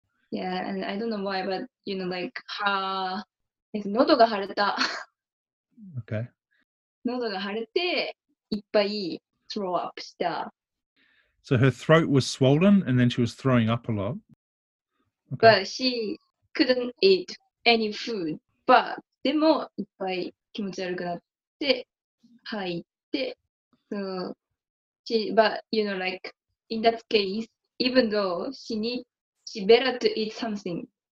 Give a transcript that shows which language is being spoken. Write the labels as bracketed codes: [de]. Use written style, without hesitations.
[en] Yeah, and I don't know why, but, you know, like, her... [ja] え、喉が腫れた。 [en] Okay. [ja] 喉が腫れて、いっぱい [en] throw up [ja] した。 [en] So her throat was swollen and then she was throwing up a lot. Okay. But she couldn't eat any food. [ja] But でもいっぱい気持ち悪くなって吐いて。 [en] So she, but you know, like in that case, even though she need, she better to eat something.